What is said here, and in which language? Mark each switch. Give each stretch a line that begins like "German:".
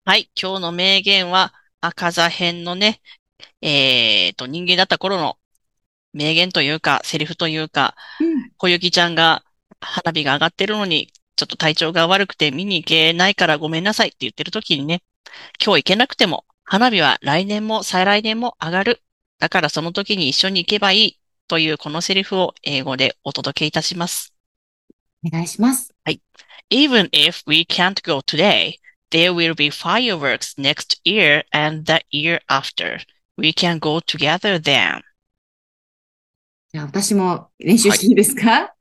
Japanese: はい、今日の名言は、赤座編のね、人間だった頃の名言というか、セリフというか、小雪ちゃんが花火が上がってるのに、ちょっと体調が悪くて見に行けないからごめんなさいって言ってる時にね、今日行けなくても、花火は来年も再来年も上がる。だからその時に一緒に行けばいい。というこのセリフを英語でお届けいたします。お願いします。はい。
English: Even if we can't go today, there will be fireworks next year and the year after. We can go together then.
Japanese: じゃあ私も練習していいですか？